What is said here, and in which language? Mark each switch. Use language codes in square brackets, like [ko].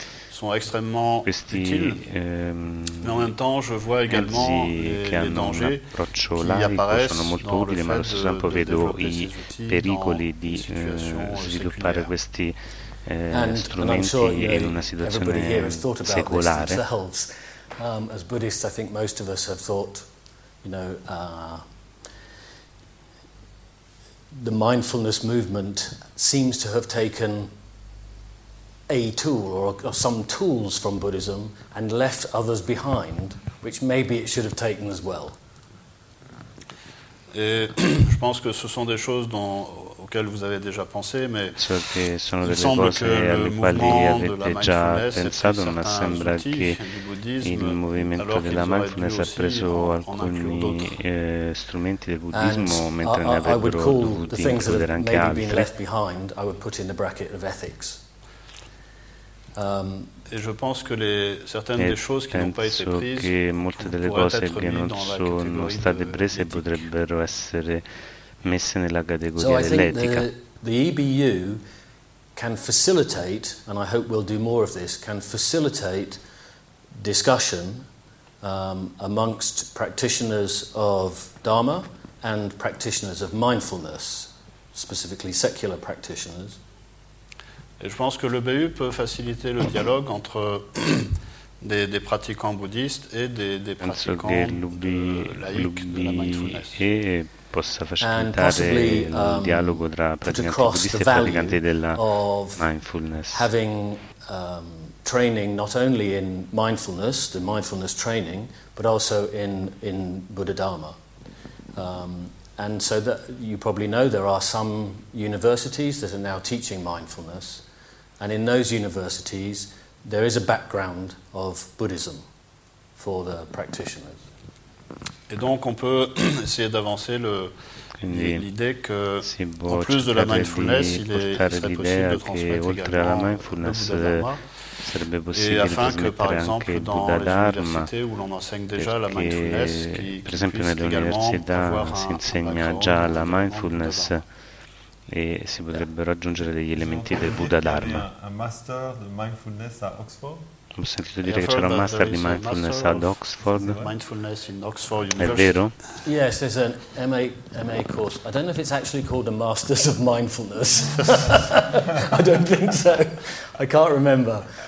[it] sono estremamente utili, ma in [fr] même temps je vois également [it] che hanno un approccio laico, sono molto utili, ma allo stesso tempo vedo i pericoli di sviluppare questi strumenti in una situazione secolare. [en] As Buddhists, I think most of us have thought, the mindfulness movement seems to have taken a tool or some tools from Buddhism and left others behind, which maybe it should have taken as well. [fr] Et je pense que ce sont des choses dont auxquelles vous avez déjà pensé, mais [it] che sono delle cose alle quali avete già pensato, ma sembra che il movimento della mindfulness ha preso alcuni strumenti del buddismo, mentre ne avrebbero dovuti includere anche altri. [en] I would put in the bracket of ethics. [fr] Et je pense que certaines des choses qui n'ont pas été prises, [it] che molte delle cose che non sono state prese potrebbero essere messe nella categoria dell'etica. [en] The EBU can facilitate, and I hope we'll do more of this, can facilitate discussion amongst practitioners of Dharma and practitioners of mindfulness, specifically secular practitioners. [fr] Et je pense que le BU peut faciliter le dialogue entre des pratiquants bouddhistes et des pratiquants laïcs de la mindfulness. [it] Possa facilitare il dialogo tra praticanti buddhisti e praticanti della mindfulness. [en] Having training not only in mindfulness, the mindfulness training, but also in Buddha Dharma. And so that you probably know there are some universities that are now teaching mindfulness. And in those universities, there is a background of Buddhism for the practitioners. [fr] Et donc on peut essayer d'avancer l'idée que, si en plus de la mindfulness, il est possible de transmettre [it] sarebbe possibile trasmettere anche il Buddha Dharma, perché per esempio nelle università si insegna già la mindfulness e si potrebbero aggiungere degli elementi del Buddha Dharma. Un master di mindfulness a Oxford? sentito dire che c'era un master di mindfulness ad Oxford. Mindfulness in Oxford è vero? [en] Yes, there's an MA course. I don't know if it's actually called a Masters of Mindfulness. I don't think so. I can't remember.